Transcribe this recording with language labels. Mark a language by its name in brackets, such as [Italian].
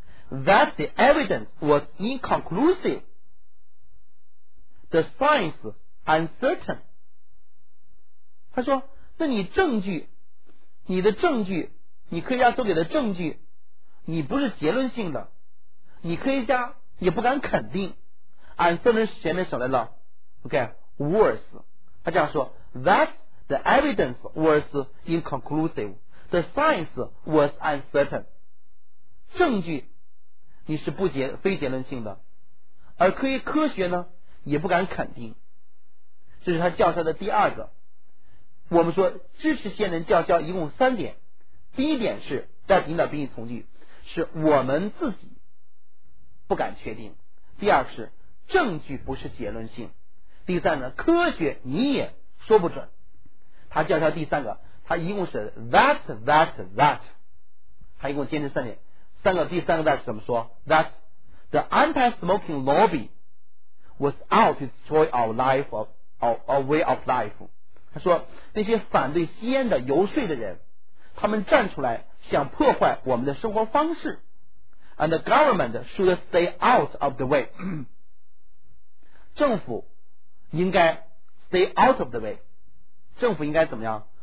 [English] that the evidence was inconclusive，The science uncertain。 [Chinese] 他说那你证据，你的证据，你科学家所给的证据，你不是结论性的，你科学家也不敢肯定。 uncertain 前面省来了 OK was， 他这样说 that the evidence was inconclusive， the science was uncertain，证据你是不结非结论性的，而科学呢也不敢肯定。这是他叫嚣的第二个。我们说支持吸烟人叫嚣一共三点，第一点是在引导宾语从句，是我们自己不敢确定，第二是证据不是结论性，第三呢科学你也说不准。他叫嚣第三个，他一共是 that， 他一共坚持三点，三个，第三个 that 怎么说？ [English] that the anti-smoking lobbywas out to destroy our life of our way of life。 [Chinese] 他说那些反对吸烟的游说的人，他们站出来想破坏我们的生活方式。 [English] And the government should stay out of the way。政府应该 stay out of the way。政府应该怎么样？